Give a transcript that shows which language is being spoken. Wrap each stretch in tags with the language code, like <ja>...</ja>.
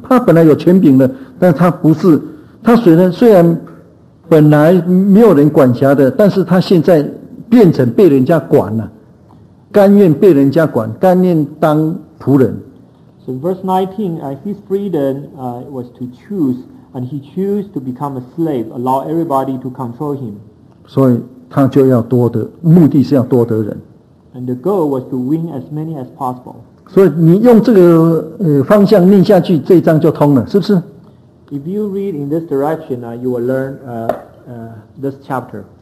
<zh>他本来有权柄的，但他不是。他虽然本来没有人管辖的，但是他现在变成被人家管了。甘愿被人家管，甘愿当仆人。</zh> <en>So in verse 19, his freedom was to choose, and he chose to become a slave, allow everybody to control him.</en> <zh>所以他就要多得，目的是要多得人。</zh> <en>And the goal was to win as many as possible.</en> <zh>所以你用这个方向念下去，这一章就通了，是不是？</zh> <en>If you read in this direction, you will learn this chapter.</en>